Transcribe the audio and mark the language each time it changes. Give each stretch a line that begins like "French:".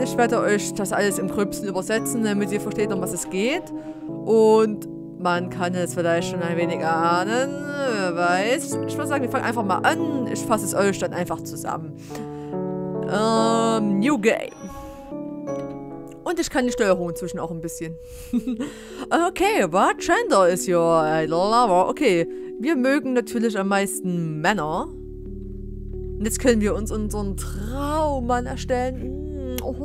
German: Ich werde euch das alles im Gröbsten übersetzen, damit ihr versteht, um was es geht. Und man kann es vielleicht schon ein wenig ahnen, wer weiß. Ich würde sagen, wir fangen einfach mal an. Ich fasse es euch dann einfach zusammen. New Game. Und ich kann die Steuerung inzwischen auch ein bisschen.
English: Okay, what gender is your lover?
German: Okay, wir mögen natürlich am meisten Männer. Und jetzt können wir uns unseren Traummann erstellen.